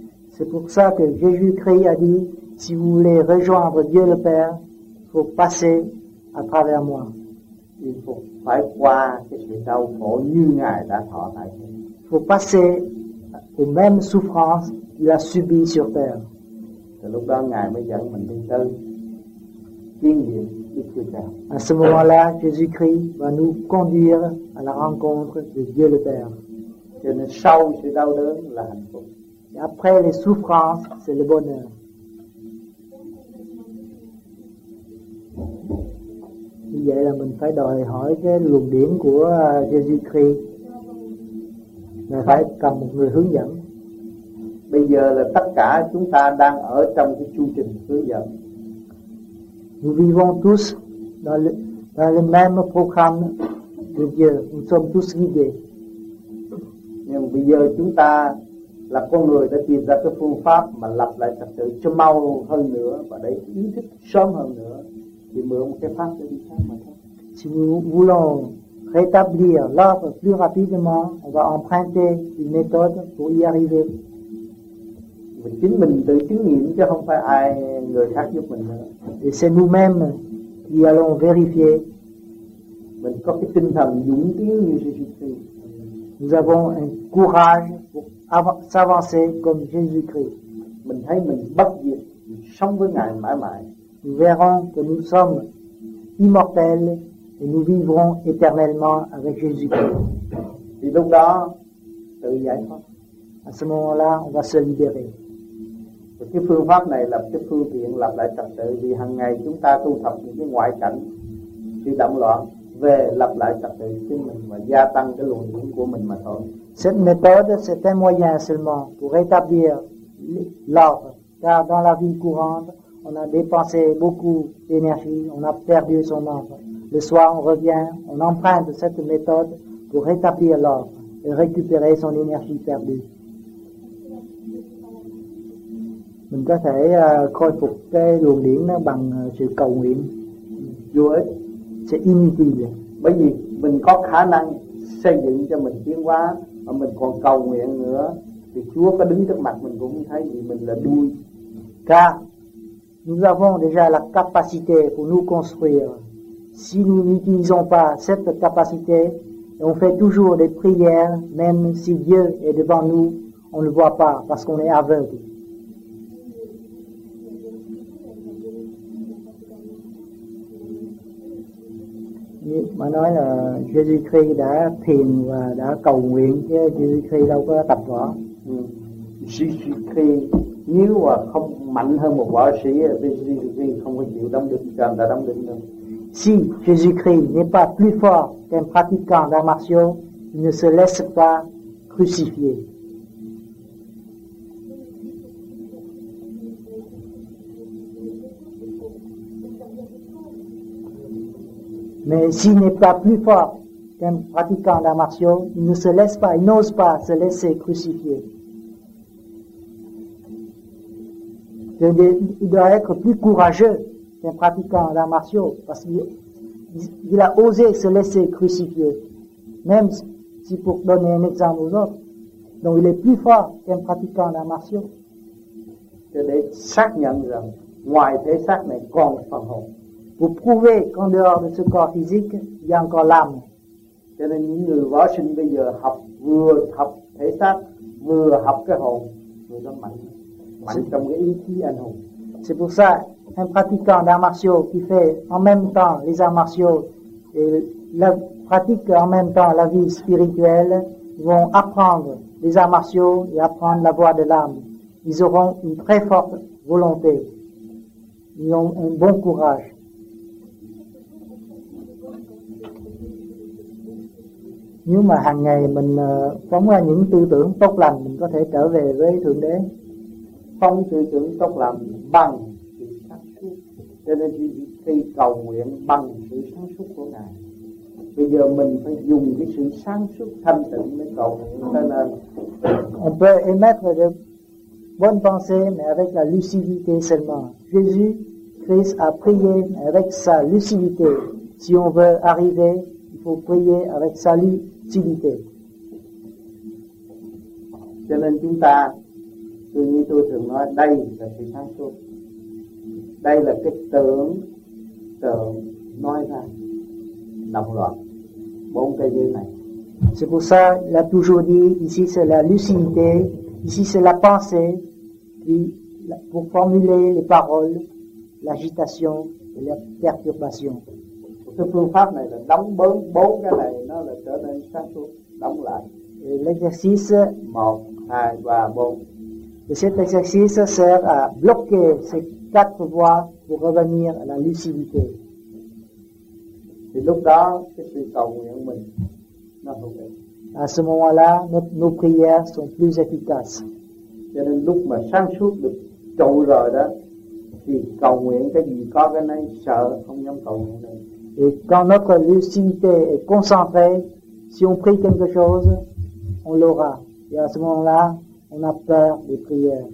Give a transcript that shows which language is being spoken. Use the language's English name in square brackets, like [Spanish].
[French] C'est pour ça que Jésus-Christ a dit, si vous voulez rejoindre Dieu le Père, il faut passer à travers moi. Il faut passer aux mêmes souffrances il a subi sur terre. C'est [Vietnamese] lúc đó ngài mới dẫn mình đi tới kiến diện Đức Chúa Trời. [French] À ce moment-là, Jésus-Christ va nous conduire à la rencontre de Dieu le Père. [Vietnamese] Cho nên sau sự đau đớn là hạnh phúc. [French] Et après les souffrances, c'est le bonheur. [Vietnamese] Như vậy là mình phải đòi hỏi cái luồng điển của Jésus-Christ. Mình phải cần một người hướng dẫn. Bây giờ là tất cả chúng ta đang ở trong cái chu trình hướng dẫn. [French] Nous vivons tous dans le même programme de Dieu. Nous sommes tous guidés. [Vietnamese] Nhưng bây giờ chúng ta là con người đã tìm ra cái phương pháp mà lập lại trật tự cho mau hơn nữa và để ý thức sớm hơn nữa thì mượn một cái pháp để đi khác mà thôi. [French] Si nous voulons rétablir l'ordre plus rapidement, on va emprunter une méthode pour y arriver. [Vietnamese] Mình chính mình tự chứng nghiệm chứ không phải ai người khác giúp mình nữa. [French] Et c'est nous-mêmes qui allons vérifier. [Vietnamese] Mình có cái tinh thần dũng tiến như Jésus-Christ. [French] Nous avons un courage pour s'avancer comme Jésus-Christ. [Vietnamese] mình thấy mình bất diệt, mình sống với Ngài mãi mãi. [French] Nous verrons que nous sommes immortels et nous vivrons éternellement avec Jésus-Christ. Et donc là, tu y es. À ce moment-là, on va se libérer. Et [Vietnamese] cái phương pháp này là cái phương tiện lập lại trật tự, vì hàng ngày chúng ta tu tập những cái ngoại cảnh bị động loạn, về lập lại trật tự chính mình và gia tăng cái luồng điển của mình mà thôi. [French] Cette méthode, c'est un moyen seulement pour rétablir l'ordre, car dans la vie courante, on a dépensé beaucoup d'énergie, on a perdu son ordre. Le soir, on revient, on emprunte cette méthode pour rétablir l'ordre et récupérer son énergie perdue. [Vietnamese] Mình có thể khôi phục cái luồng điển nó bằng sự cầu nguyện. Chúa sẽ [French] inutile. [Vietnamese] Bởi vì mình có khả năng xây dựng cho mình tiến hóa mà mình còn cầu nguyện nữa, thì Chúa có đứng trước mặt mình cũng thấy thì mình là đuôi. [French] Car nous avons déjà la capacité pour nous construire. Si nous n'utilisons pas cette capacité, on fait toujours des prières, même si Dieu est devant nous, on ne le voit pas parce qu'on est aveugle. [Vietnamese] Mà nói là Jésus-Christ đã thiền và đã cầu nguyện, chứ Jésus-Christ đâu có tập võ. Jésus-Christ nếu mà không mạnh hơn một võ sĩ thì Jésus-Christ không có chịu đóng đinh cho anh ta đóng đinh đâu. [French] Si Jésus-Christ n'est pas plus fort qu'un pratiquant d'arts martiaux, il ne se laisse pas crucifier. Mais s'il n'est pas plus fort qu'un pratiquant d'arts martiaux, il ne se laisse pas, il n'ose pas se laisser crucifier. Il doit être plus courageux qu'un pratiquant d'arts martiaux, parce qu'il a osé se laisser crucifier, même si pour donner un exemple aux autres, donc il est plus fort qu'un pratiquant d'arts martiaux. Je l'ai chaque année, moi et les chaque année, quand je parle. Vous prouvez qu'en dehors de ce corps physique, il y a encore l'âme. [Vietnamese] Cho nên những người võ sinh bây giờ học vừa học thể xác, vừa học cái hồn, vừa nó mạnh, mạnh trong cái ý chí anh hùng. [French] C'est pour ça, un pratiquant d'arts martiaux qui fait en même temps les arts martiaux et la pratique en même temps la vie spirituelle vont apprendre les arts martiaux et apprendre la voie de l'âme. Ils auront une très forte volonté. Ils ont un bon courage. [Vietnamese] Nếu mà hàng ngày mình phóng ra những tư tưởng tốt lành, mình có thể trở về với Thượng Đế. Phóng tư tưởng tốt lành bằng sự sáng suốt. Cho nên khi cầu nguyện bằng sự sáng suốt của Ngài. Bây giờ mình phải dùng cái sự sáng suốt thanh tịnh để cầu nguyện. Cho nên [French] on peut émettre de bonnes pensées, mais avec la lucidité seulement. Jésus Christ a prié avec sa lucidité. Si on veut arriver, il faut prier avec sa lucidité. [Vietnamese] Cho nên chúng ta, tôi như tôi thường nói, đây là sự sáng suốt. Đây là cái tưởng tượng nói ra đồng loạt bốn cái dưới này. [French] C'est pour ça qu'il a toujours dit, ici c'est la lucidité, ici c'est la pensée, puis pour formuler les paroles, l'agitation et la perturbation. [Vietnamese] Cái phương pháp này là đóng bớn bốn cái này, nó là trở nên sáng suốt, đóng lại. [French] L'exercice 1, 2, 3, 4. Et cet exercice sert à bloquer ces quatre voies pour revenir à la lucidité. Et [Vietnamese] lúc đó, cái sự cầu nguyện mình nó hữu ích. [French] À ce moment-là, nos prières sont plus efficaces. [Vietnamese] Cho nên lúc mà sáng suốt được trụ rồi đó, thì cầu nguyện cái gì có cái này, sợ không dám cầu nguyện nữa. [French] Et quand notre lucidité est concentrée, si on prie quelque chose, on l'aura. Et à ce moment-là, on a peur des prières.